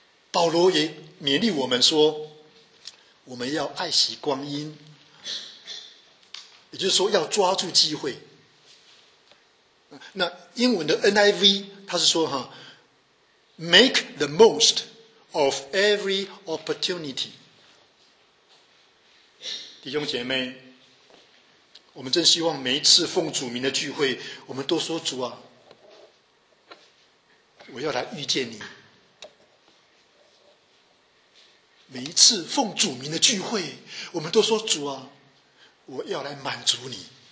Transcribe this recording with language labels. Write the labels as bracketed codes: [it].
[zh] 保罗也勉励我们说，我们要爱惜光阴，也就是说要抓住机会。那英文的 NIV 他是说 [en] Make the most of every opportunity。 [zh] 弟兄姐妹，我们真希望每一次奉主名的聚会，我们都说，主啊，我要来遇见你。每一次奉主名的聚会，我们都说，主啊，我要来满足你。